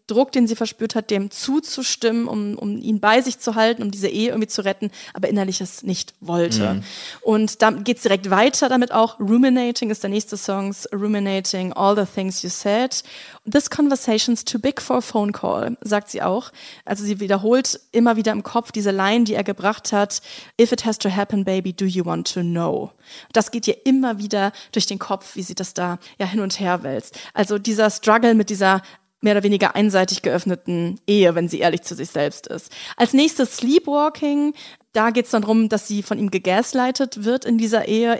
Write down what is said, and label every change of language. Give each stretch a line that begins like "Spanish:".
German: Druck, den sie verspürt hat, dem zuzustimmen, um ihn bei sich zu halten, um diese Ehe irgendwie zu retten, aber innerlich es nicht wollte. Mhm. Und dann geht es direkt weiter damit auch. Ruminating ist der nächste Song.
English: Ruminating, all the things you said. This conversation's too big for a phone call,
German: sagt sie auch. Also sie wiederholt immer wieder im Kopf diese Line, die er gebracht hat.
English: If it has to happen, baby, do you want to know?
German: Das geht ihr immer wieder durch den Kopf, wie sie das da ja hin und her wälzt. Also dieser Struggle mit dieser mehr oder weniger einseitig geöffneten Ehe, wenn sie ehrlich zu sich selbst ist. Als nächstes Sleepwalking. Da geht's dann darum, dass sie von ihm gegaslightet wird in dieser Ehe.